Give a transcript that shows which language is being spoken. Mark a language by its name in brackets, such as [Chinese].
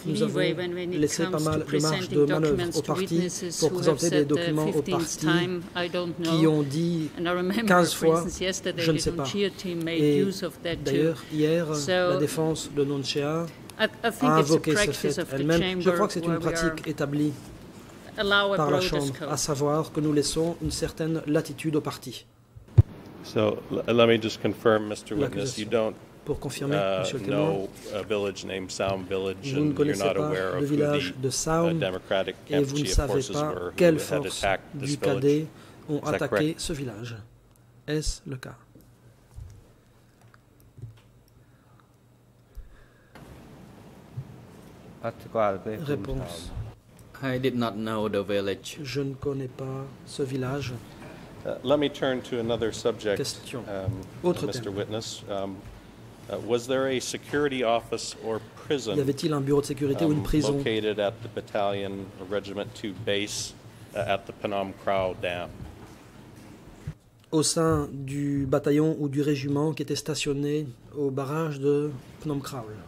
[French] nous avons laissé pas mal de marge de manœuvre aux partis pour présenter des documents aux partis qui ont dit 15 fois, je ne sais pas. Et d'ailleurs, hier, la défense de Nunchea a invoqué ce fait elle-même. Je crois que c'est une pratique établie par la Chambre, à savoir que nous laissons une certaine latitude aux partis. [English] So, let me just confirm, Mr. Witness, you don't [French] pour confirmer, Monsieur le Témoin. [English] No village named Sound Village, [French] vous ne connaissez pas le village de Sound et vous ne savez pas quelles forces du Cadet ont attaqué ce village. Est-ce le cas? Réponse. [English] I did not know the village. [French] Je ne connais pas ce village. [English] Let me turn to another subject. [French] Question. Autre Mr. Terme. [English] Witness, was there a security office or prison? [French] Y avait-il un bureau de sécurité ou une prison? [English] Located at the battalion regiment 2 base at the Phnom Krau Dam. [French] Au sein du bataillon ou du régiment qui était stationné au barrage de Phnom Krau.